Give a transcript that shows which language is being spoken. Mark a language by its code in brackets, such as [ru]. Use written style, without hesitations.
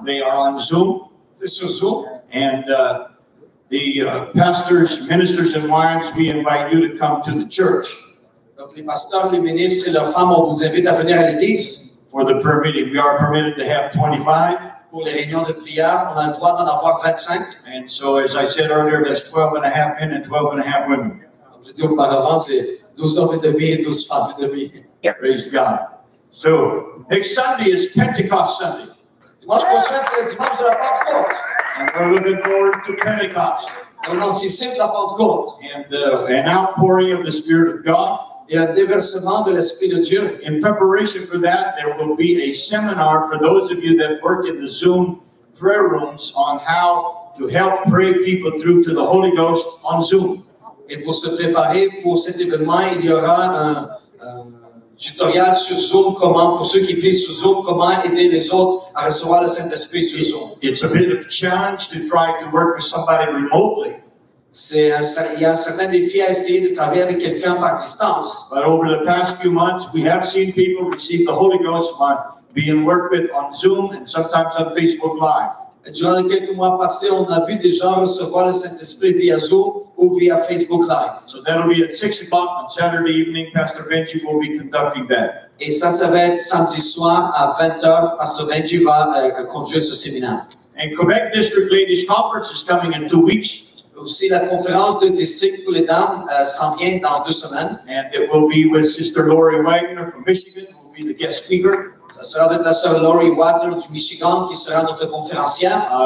[en] They are on Zoom. [fr] C'est sur Zoom. [en] And the pastors, ministers, and wives, we invite you to come to the church. [fr] Donc les pasteurs, les ministres et leurs femmes, on vous invite à venir à l'église. [en] For the prayer meeting, we are permitted to have 25. [fr] Pour les réunions de prière, on a le droit d'en avoir 25. [en] And so, as I said earlier, there's 12 and a half men and 12 and a half women. [fr] comme je dis auparavant, c'est 12 hommes et demi et 12 femmes et demi. [en] Yeah. Praise God. So, next Sunday is Pentecost Sunday. [fr] Dimanche prochain, c'est le dimanche de la Pentecôte. [en] And we're looking forward to Pentecost. [fr] On anticipe la Pentecôte. [en] And an outpouring of the Spirit of God. [fr] Et un déversement de l'Esprit de Dieu. [en] In preparation for that, there will be a seminar for those of you that work in the Zoom prayer rooms on how to help pray people through to the Holy Ghost on Zoom. [fr] Et pour se préparer pour cet événement, il y aura un tutoriel sur Zoom, comment, pour ceux qui prient sur Zoom, comment aider les autres à recevoir le Saint-Esprit sur Zoom. [en] It's a bit of a challenge to try to work with somebody remotely. [fr] Il y a un certain défi à essayer de travailler avec quelqu'un par distance. [en] But over the past few months, we have seen people receive the Holy Ghost by being worked with on Zoom and sometimes on Facebook Live. [fr] Et durant les quelques mois passés, on a vu des gens recevoir le Saint-Esprit via Zoom ou via Facebook Live. [en] So that'll be at 6 o'clock on Saturday evening. Pastor Benji will be conducting that. [fr] Et ça va être samedi soir à 20h. Pastor Benji va conduire ce séminaire. [en] And Quebec District Ladies Conference is coming in 2 weeks. [fr] Aussi, la conférence de district pour les dames s'en vient dans 2 semaines. [en] And it will be with Sister Lori Wagner from Michigan, who will be the guest speaker. [fr] Ça sera avec la sœur Lori Wagner du Michigan qui sera notre conférencière.